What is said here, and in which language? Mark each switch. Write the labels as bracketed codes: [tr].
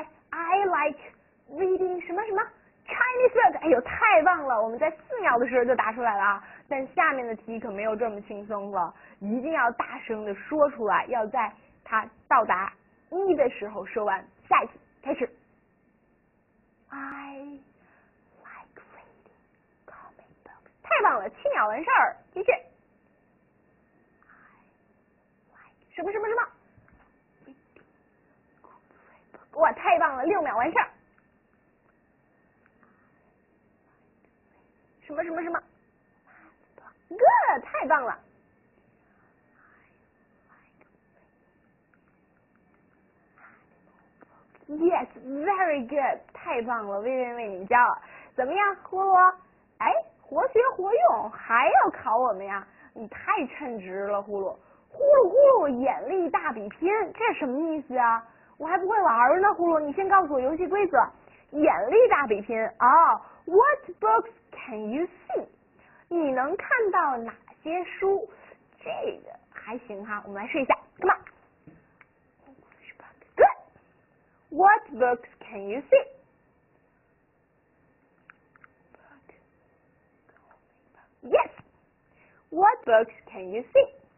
[en] I like reading [zh] 什么什么 [en] Chinese book。 [zh] 哎呦，太棒了，我们在4秒的时候就答出来了啊！但下面的题可没有这么轻松了，一定要大声的说出来，要在它到达一的时候说完。下一题开始。 [en] I like reading comic books。 [zh] 太棒了，7秒完事儿，继续。什么什么什么，哇，太棒了，6秒完事儿。什么什么什么 ，good， 太棒了。 [en] Yes， very good， [zh] 太棒了， [en] 薇薇为你骄傲。 [zh] 怎么样，呼噜？哎，活学活用，还要考我们呀？你太称职了，呼噜。呼噜呼噜，眼力大比拼，这什么意思啊？我还不会玩呢，呼噜，你先告诉我游戏规则。眼力大比拼啊、， [en] What books can you see？ [zh] 你能看到哪些书？这个还行哈，我们来试一下 ， [en] Come on。 Good。 What books can you see？ Yes。 What books can you see？